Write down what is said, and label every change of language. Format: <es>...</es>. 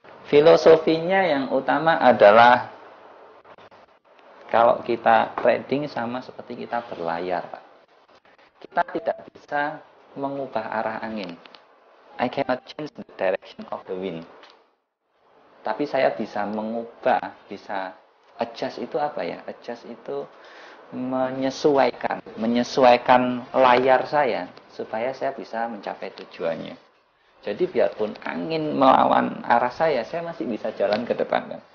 <id>Filosofinya yang utama adalah kalau kita trading sama seperti kita berlayar, Pak. Kita tidak bisa mengubah arah angin.</id> <en>I cannot change the direction of the wind.</en> <id>Tapi saya bisa mengubah, bisa adjust itu apa ya? Adjust itu menyesuaikan, menyesuaikan layar saya supaya saya bisa mencapai tujuannya. Jadi biarpun angin melawan arah saya masih bisa jalan ke depan. Kan?</id>